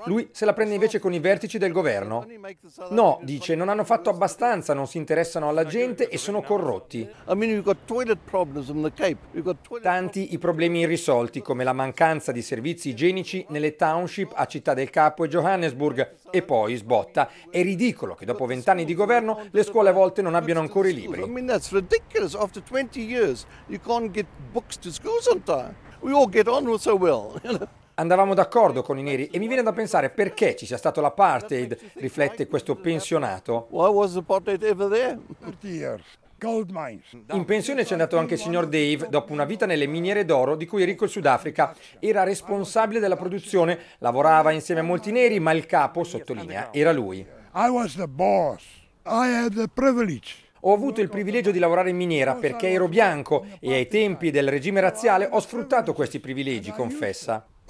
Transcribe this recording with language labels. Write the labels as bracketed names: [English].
[Italian] Lui se la prende invece con i vertici del governo. No, dice, non hanno fatto abbastanza, non si interessano alla gente e sono corrotti. Tanti i problemi irrisolti, come la mancanza di servizi igienici nelle township a Città del Capo e Johannesburg. E poi sbotta. È ridicolo che dopo 20 anni di governo le scuole a volte non abbiano ancora i libri. [English] After 20 years you can't get books to schools on time. We all get on so well. [Italian] Andavamo d'accordo con i neri e mi viene da pensare perché ci sia stato l'apartheid, riflette questo pensionato. [English] Why was apartheid ever there? [Italian] In pensione c'è andato anche il signor Dave, dopo una vita nelle miniere d'oro di cui è ricco il Sudafrica. Era responsabile della produzione, lavorava insieme a molti neri, ma il capo, sottolinea, era lui. [English] I was the boss. I had the privilege. [Italian] Ho avuto il privilegio di lavorare in miniera perché ero bianco e ai tempi del regime razziale ho sfruttato questi privilegi, confessa.